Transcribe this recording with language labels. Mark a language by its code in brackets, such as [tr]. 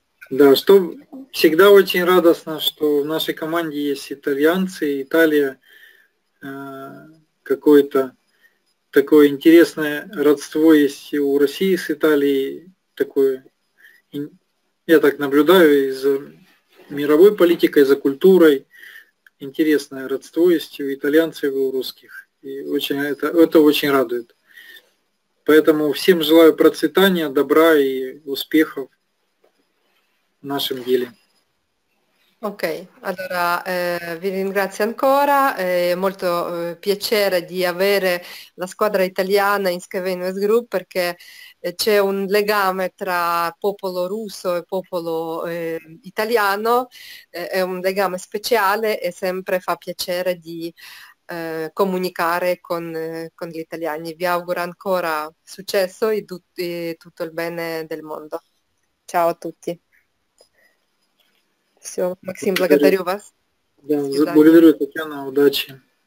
[ru] Да, что всегда очень радостно, что в нашей команде есть итальянцы, Италия, какое-то такое интересное родство есть у России с Италией, такое, я так наблюдаю, и за мировой политикой, за культурой. Интересное родство есть у итальянцев и у русских. И очень это очень радует. Поэтому всем желаю процветания, добра и успехов в нашем деле. Окей. [it] Allora, vi ringrazio ancora. Molto piacere di avere la squadra italiana in Scavenius Group, perché c'è un legame tra popolo russo e popolo italiano, è un legame speciale e sempre fa piacere di comunicare con gli italiani. Vi auguro ancora successo e tutto il bene del mondo. Ciao a tutti. [ru] Все, Максим, благодарю вас. Да, благодарю, Татьяна, удачи.